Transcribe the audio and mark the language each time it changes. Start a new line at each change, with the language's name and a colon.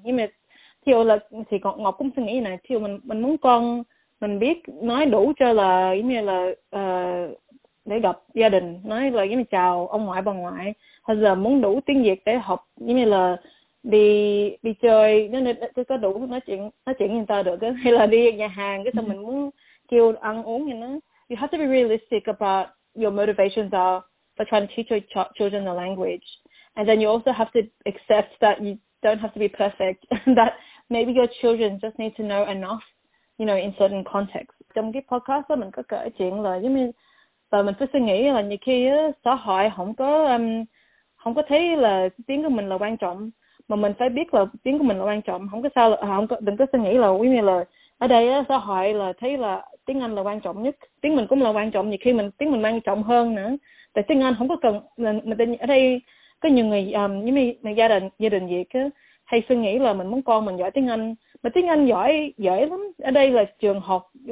Vietnamese: Nhưng mà thiệu là thì Ngọc cũng suy nghĩ này, thiệu mình muốn con mình biết nói đủ cho là giống như là để gặp gia đình, nói là giống như chào ông ngoại bà ngoại, hay là muốn đủ tiếng Việt để học giống như là đi đi chơi, nếu như có đủ nói chuyện người ta được, hay là đi nhà hàng cái xong mình muốn kêu ăn uống như nó.
English: You have to be realistic about your motivations are for trying to teach your children the language, and then you also have to accept that you don't have to be perfect, that maybe your children just need to know enough, in certain contexts.
Vietnamese: Trong cái podcast đó mình có kể chuyện là giống như và mình phải suy nghĩ là nhiều khi á, xã hội không có thấy là tiếng của mình là quan trọng, mà mình phải biết là tiếng của mình là quan trọng, không có sao là, không có, đừng có suy nghĩ là quý như là ở đây á, xã hội là thấy là tiếng Anh là quan trọng nhất, tiếng mình cũng là quan trọng, nhiều khi tiếng mình quan trọng hơn nữa, tại tiếng Anh không có cần mình ở đây có nhiều người như gia đình Việt á, hay suy nghĩ là mình muốn con mình giỏi tiếng Anh, mà tiếng Anh giỏi dễ lắm, ở đây là trường học